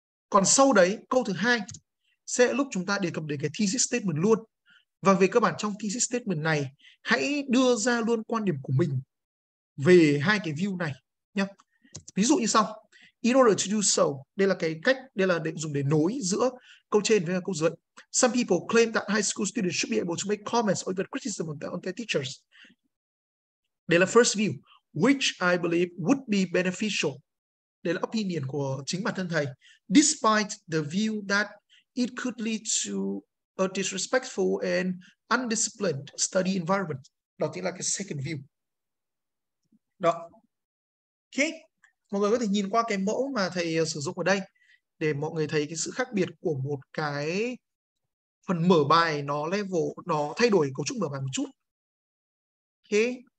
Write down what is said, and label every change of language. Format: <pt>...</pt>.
<vi>Còn sau đấy, câu thứ hai sẽ lúc chúng ta đề cập đến cái thesis statement luôn. Và về cơ bản trong thesis statement này, hãy đưa ra luôn quan điểm của mình về hai cái view này nhé. Ví dụ như sau,</vi> <en>in order to do so,</en> <vi>đây là cái cách, đây là để dùng để nối giữa câu trên với câu dưới.</vi> <en>Some people claim that high school students should be able to make comments or even criticism on their teachers.</en> <vi>Đây là</vi> <en>first view. which I believe would be beneficial.</en> <vi>Đây là opinion của chính bản thân thầy.</vi> <en>Despite the view that it could lead to a disrespectful and undisciplined study environment.</en> <vi>Đó chính là cái second view. Đó. Okay. Mọi người có thể nhìn qua cái mẫu mà thầy sử dụng ở đây để mọi người thấy cái sự khác biệt của một cái phần mở bài, nó level, nó thay đổi cấu trúc mở bài một chút. Okay.</vi>